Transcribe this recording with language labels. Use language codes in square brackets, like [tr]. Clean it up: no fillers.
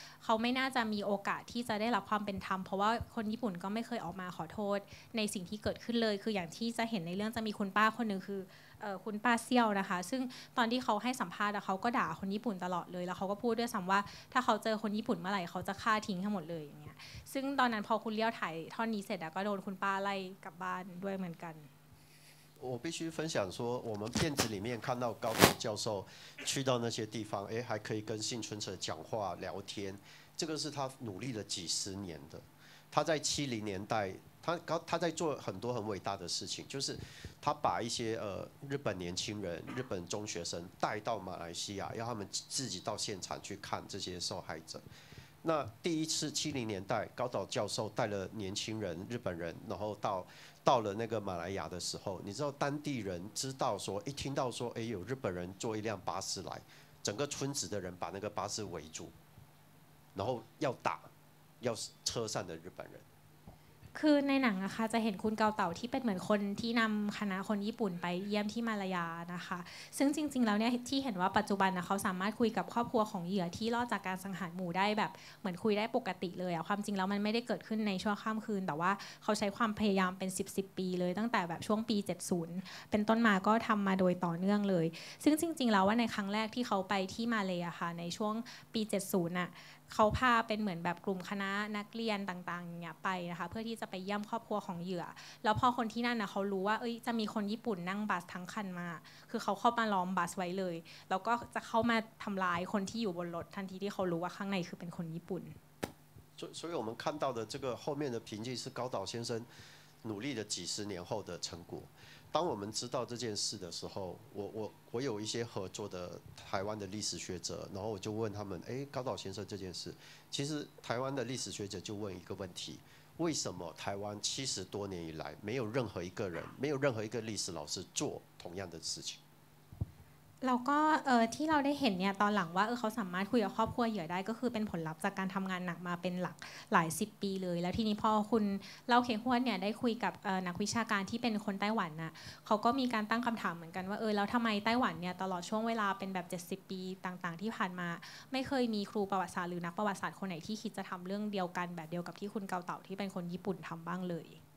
[th] เขาไม่น่าจะมีโอกาสที่จะได้รับความเป็นธรรมเพราะว่าคนญี่ปุ่นก็ไม่เคยออกมาขอโทษในสิ่งที่เกิดขึ้นเลยคืออย่างที่จะเห็นในเรื่องจะมีคุณป้าคนหนึ่งคือ คุณป้าเซี่ยวนะคะซึ่งตอนที่เขาให้สัมภาษณ์เขาก็ด่าคนญี่ปุ่นตลอดเลยแล้วเขาก็พูดด้วยซ้ำว่าถ้าเขาเจอคนญี่ปุ่นเมื่อไหร่เขาจะฆ่าทิ้งให้หมดเลยอย่างเงี้ยซึ่งตอนนั้นพอคุณเลี้ยวถ่ายท่อนนี้เสร็จก็โดนคุณป้าไล่กลับบ้านด้วยเหมือนกัน [zh] 我必须分享说我们片子里面看到高岛教授去到那些地方哎还可以跟幸存者讲话聊天这个是他努力了几十年的他在70年代他在做很多很伟大的事情就是他把一些日本年轻人日本中学生带到马来西亚要他们自己到现场去看这些受害者那第一次70年代高岛教授带了年轻人日本人然后到了那个马来亚的时候你知道当地人知道说一听到说哎有日本人坐一辆巴士来整个村子的人把那个巴士围住然后要打要车上的日本人 [th] คือในหนังอะค่ะจะเห็นคุณเกาเต๋าที่เป็นเหมือนคนที่นำคณะคนญี่ปุ่นไปเยี่ยมที่มาลายานะคะซึ่งจริงๆแล้วเนี่ยที่เห็นว่าปัจจุบันนะเขาสามารถคุยกับครอบครัวของเหยื่อที่รอดจากการสังหารหมู่ได้แบบเหมือนคุยได้ปกติเลยอะความจริงแล้วมันไม่ได้เกิดขึ้นในช่วงข้ามคืนแต่ว่าเขาใช้ความพยายามเป็น10ปีเลยตั้งแต่แบบช่วงปี 70เป็นต้นมาก็ทำมาโดยต่อเนื่องเลยซึ่งจริงๆแล้วว่าในครั้งแรกที่เขาไปที่มาเลย์ค่ะในช่วงปี70อะเขาพาเป็นเหมือนแบบกลุ่มคณะนักเรียนต่างๆเนี่ยไปนะคะเพื่อที่จะไปเยี่ยมครอบครัวของเหยื่อแล้วพอคนที่นั่นน่ะเขารู้ว่าเอ้ยจะมีคนญี่ปุ่นนั่งบัสทั้งคันมาคือเขาเข้ามาล้อมบัสไว้เลยแล้วก็จะเข้ามาทำร้ายคนที่อยู่บนรถทันทีที่เขารู้ว่าข้างในคือเป็นคนญี่ปุ่น [zh] 所以我们看到的这个后面的平静是高岛先生努力了几十年后的成果当我们知道这件事的时候 我有一些合作的台湾的历史学者然后我就问他们哎，高岛先生这件事其实台湾的历史学者就问一个问题为什么台湾七十多年以来没有任何一个人没有任何一个历史老师做同样的事情 [th] แล้วก็ที่เราได้เห็นเนี่ยตอนหลังว่าเขาสามารถคุยกับครอบครัวเหยื่อได้ก็คือเป็นผลลัพธ์จากการทำงานหนักมาเป็นหลักหลายสิบปีเลยแล้วทีนี้พอคุณเล่าเคฮวนเนี่ยได้คุยกับนักวิชาการที่เป็นคนไต้หวันนะเขาก็มีการตั้งคำถามเหมือนกันว่าแล้วทำไมไต้หวันเนี่ยตลอดช่วงเวลาเป็นแบบ70ปีต่างๆที่ผ่านมาไม่เคยมีครูประวัติศาสตร์หรือนักประวัติศาสตร์คนไหนที่คิดจะทำเรื่องเดียวกันแบบเดียวกับที่คุณเกาเต่าที่เป็นคนญี่ปุ่นทำบ้างเลย